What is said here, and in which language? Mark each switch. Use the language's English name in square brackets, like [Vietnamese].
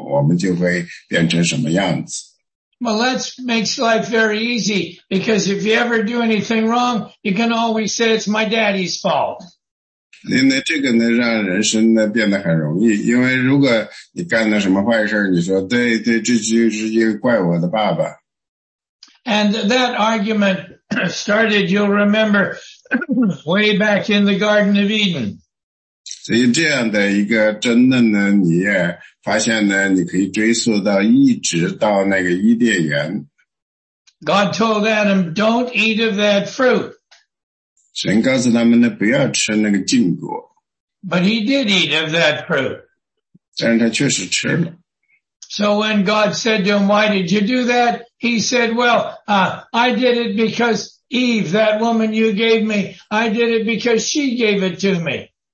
[Chinese] 所以那个心理学家弗洛伊德还有很多其他的那些心理学家呢，他们说呢，我们其实上是从我们的父母那里学到的坏的行为，就是说我们如果有什么样的父母，我们就会变成什么样子。 [English] Well, that makes life very easy, because if you ever do anything wrong, you can always say it's my daddy's fault. [Chinese] 那这个呢，让人生呢变得很容易，因为如果你干了什么坏事，你说对对，这就是因为怪我的爸爸。 [English] And that argument started, you'll remember, way back in the Garden of Eden. [Chinese] 所以这样的一个争论呢，你也发现呢，你可以追溯到一直到那个伊甸园。 [English] God told Adam, don't eat of that fruit. [Chinese] 神告诉他们呢，不要吃那个禁果。 [English] But he did eat of that fruit. [Chinese] 但是他确实吃了。 [English] So when God said to him, why did you do that? He said, well, I did it because Eve, that woman you gave me, I did it because she gave it to me.